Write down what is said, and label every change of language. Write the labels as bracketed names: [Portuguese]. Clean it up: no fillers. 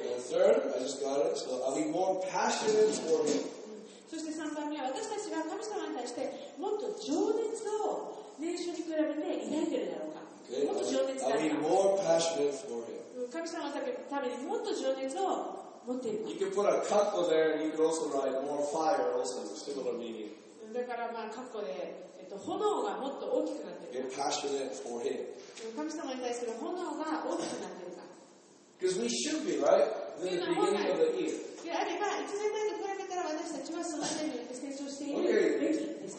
[English] and third, I just got it. So I'll be more passionate for him. [Japanese] そして三番目は私たちが神様に対してもっと情熱を年初に比べて抱いているだろうか。 [English] Okay, [Japanese] もっと情熱だろうか。 [English] I'll be more passionate for him. [Japanese] 神様のためにもっと情熱を持っているか。 [English] You can put a capital there, and you can also write more fire, also similar meaning. [Japanese] だからまあ括弧で炎がもっと大きくなっている。 [English] Be passionate for him. [Japanese] 神様に対する炎が大きくなっているか。 [English] Because we should be, right? The beginning of the year. [Japanese] であれば、1年前と比べたら私たちはその辺によって成長しているべきです。